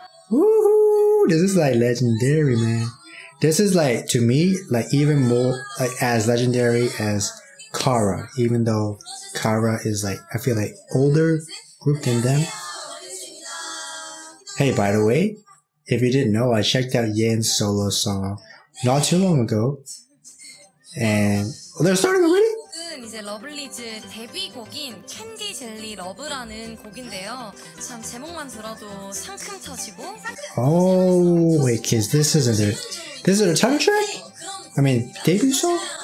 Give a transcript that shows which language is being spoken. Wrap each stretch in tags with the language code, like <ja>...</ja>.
<en>Woohoo! This is like legendary, man. This is like, to me, like even more, like as legendary as Kara. Even though Kara is like, I feel like older group than them. Hey, by the way, if you didn't know, I checked out Yen's solo song not too long ago. And oh, they're starting already?</en> <ko>이제 러블리즈 데뷔 곡인 캔디 젤리 러브라는 곡인데요. 참 제목만 들어도 상큼 터지고.</ko> <en>Oh, wait, kids, this is a title track? I mean, debut song?</en>